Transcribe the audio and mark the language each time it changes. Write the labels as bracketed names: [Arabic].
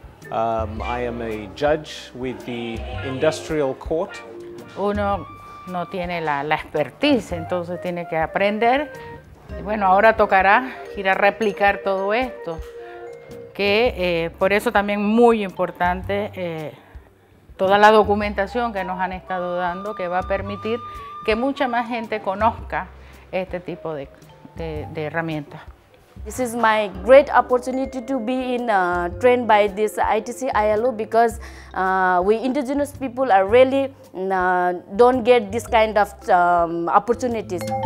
[English] I am a judge with the Industrial Court. [Spanish] Uno no tiene la expertise, entonces tiene que aprender. Bueno, ahora tocará ir a replicar todo esto, que por eso también muy importante toda la documentación que nos han estado dando, que va a permitir que mucha más gente conozca este tipo de herramientas. [English] This is my great opportunity to be in trained by this ITC ILO because we indigenous people are really don't get this kind of opportunities.